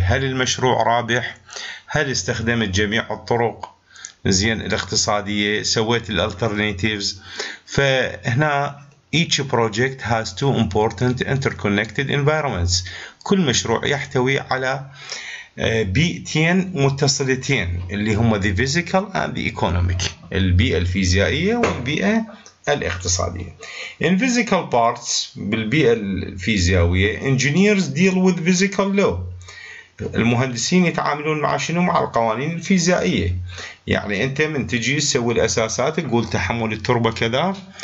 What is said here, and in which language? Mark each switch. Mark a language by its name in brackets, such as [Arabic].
[Arabic] هل المشروع رابح؟ هل استخدمت جميع الطرق زين الاقتصادية؟ سويت الالترناتيفز؟ فهنا [English] Each project has two important interconnected environments. [Arabic] كل مشروع يحتوي على بيئتين متصلتين اللي هما [English] the physical and the economic. [Arabic] البيئة الفيزيائية والبيئة الاقتصادية. [English] In physical parts [Arabic] بالبيئة الفيزيائية [English] engineers deal with physical law. [Arabic] المهندسين يتعاملون مع شنو؟ مع القوانين الفيزيائية. يعني أنت من تجي تسوي الأساسات تقول تحمل التربة كذا.